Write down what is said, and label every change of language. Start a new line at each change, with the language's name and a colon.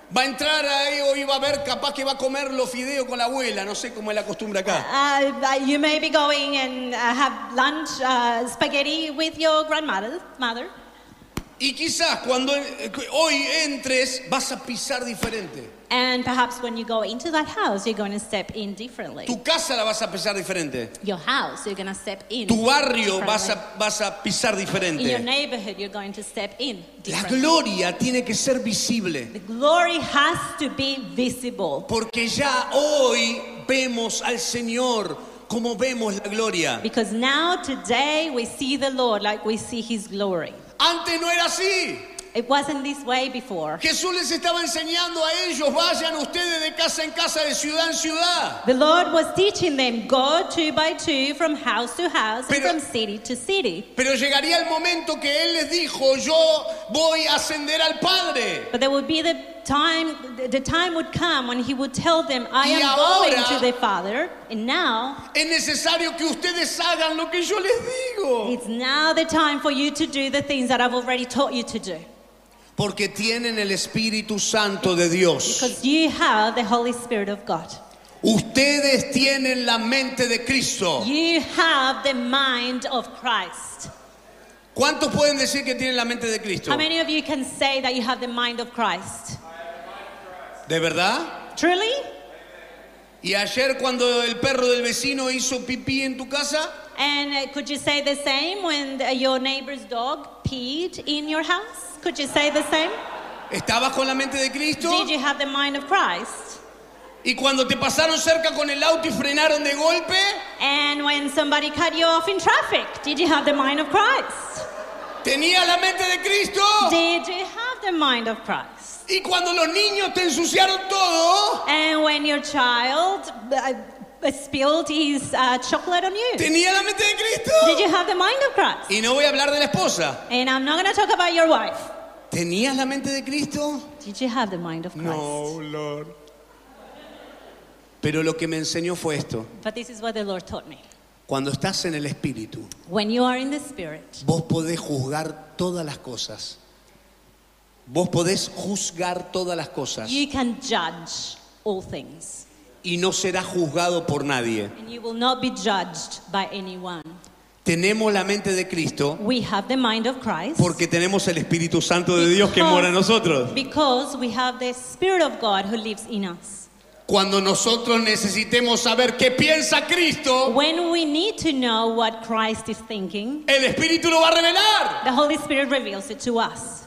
Spanish: va a entrar ahí o iba a ver, capaz que va a comer los fideos con la abuela, no sé cómo es la costumbre acá.
English: You may be going and have lunch, spaghetti with your grandmother. Mother.
Spanish: Y quizás cuando hoy entres vas a pisar diferente.
English: And perhaps when you go into that house, you're going to step in differently.
Spanish: Tu casa la vas a pisar diferente.
English: Your house, you're going to step in.
Spanish: Tu barrio vas a pisar diferente.
English: In your neighborhood, you're going to step in differently.
Spanish: La gloria tiene que ser visible.
English: The glory has to be visible.
Spanish: Porque ya hoy vemos al Señor como vemos la gloria.
English: Because now today we see the Lord like we see his glory.
Spanish: Antes no era así.
English: It wasn't this way before.
Spanish: Jesús les estaba enseñando a ellos, vayan ustedes de casa en casa, de ciudad en ciudad.
English: The Lord was teaching them, go two by two, from house to house, and from city to city.
Spanish: Pero llegaría el momento que Él les dijo, yo voy a ascender al Padre.
English: But there would be the time would come when He would tell them, I am going to the Father, and now,
Spanish: es necesario que ustedes hagan lo que yo les digo.
English: It's now the time for you to do the things that I've already taught you to do.
Spanish: Porque tienen el Espíritu Santo de Dios.
English: Because you have the Holy Spirit of God.
Spanish: Ustedes tienen la mente de Cristo.
English: You have the mind of Christ.
Spanish: ¿Cuántos pueden decir que tienen la mente de Cristo?
English: How many of you can say that you have the mind of Christ?
Spanish: ¿De verdad?
English: Truly?
Spanish: ¿Y ayer cuando el perro del vecino hizo pipí en tu casa?
English: And could you say the same when your neighbor's dog peed in your house? Could you say the same?
Spanish: ¿Estabas con la mente de Cristo?
English: Did you have the mind of Christ?
Spanish: ¿Y cuando te pasaron cerca con el auto y frenaron de golpe?
English: And when somebody cut you off in traffic, did you have the mind of Christ?
Spanish: ¿Tenía la mente de Cristo?
English: Did you have the mind of Christ?
Spanish: ¿Y cuando los niños te ensuciaron todo?
English: And when your child spilled his chocolate on you.
Spanish: ¿Tenía la mente de Cristo?
English: Did you have the mind of Christ?
Spanish: Y no voy a hablar de la esposa.
English: And I'm not going to talk about your wife.
Spanish: ¿Tenías la mente de Cristo?
English: Did you have the mind of Christ? No, Lord.
Spanish: Pero lo que me enseñó fue esto.
English: But this is what the Lord taught me.
Spanish: Cuando estás en el Espíritu,
English: when you are in the Spirit,
Spanish: vos podés juzgar todas las cosas. Vos podés juzgar todas las cosas.
English: You can judge all things.
Spanish: Y no será juzgado por nadie.
English: And you will not be judged by anyone.
Spanish: Tenemos la mente de Cristo.
English: We have the mind of Christ.
Spanish: Porque tenemos el Espíritu Santo de Dios que mora en nosotros.
English: Because we have the Spirit of God who lives in us.
Spanish: Cuando nosotros necesitemos saber qué piensa Cristo,
English: when we need to know what Christ is thinking,
Spanish: el Espíritu lo va a revelar.
English: The Holy Spirit reveals it to us.